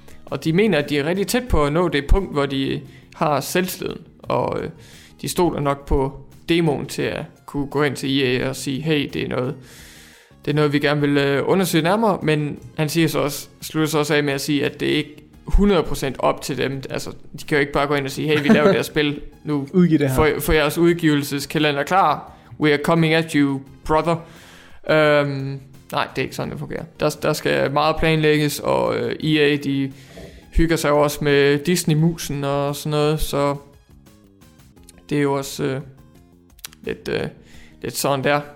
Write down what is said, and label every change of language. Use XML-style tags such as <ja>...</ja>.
<da>Og de mener, at de er rigtig tæt på at nå det punkt, hvor de har selvtilliden, og de stoler nok på demoen til at kunne gå hen til EA og sige, hey, det er noget vi gerne vil undersøge nærmere. Men han siger så også, slutter så også af med at sige, at det ikke 100% op til dem. Altså, de kan jo ikke bare gå ind og sige, hey, vi laver det her spil nu. Udgiv det her. For jeres udgivelseskalender klar.</da> <en>We are coming at you, brother.</en> <da>Nej, det er ikke sådan, det fungerer. Der skal meget planlægges, og EA, de hygger sig også med Disney-musen og sådan noget, så det er jo også lidt sådan der.</da>